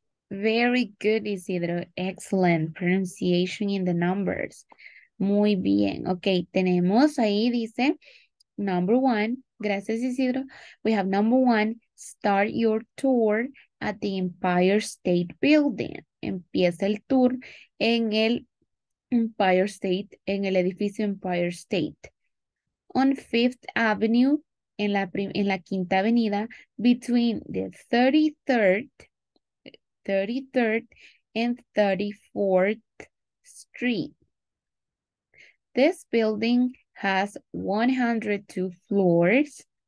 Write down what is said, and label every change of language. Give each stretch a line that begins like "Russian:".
English: Very good, Isidro. Excellent pronunciation in the numbers.
Spanish: Muy bien.
English: Okay,
Spanish: tenemos ahí, dice,
English: number one.
Spanish: Gracias,
English: Isidro. We have number one. Start your tour at the Empire State Building.
Spanish: Empieza el tour en el Empire State, en el edificio Empire State.
English: On Fifth Avenue,
Spanish: en la quinta avenida,
English: between the 33rd and 34th Street. This building has 102 floors.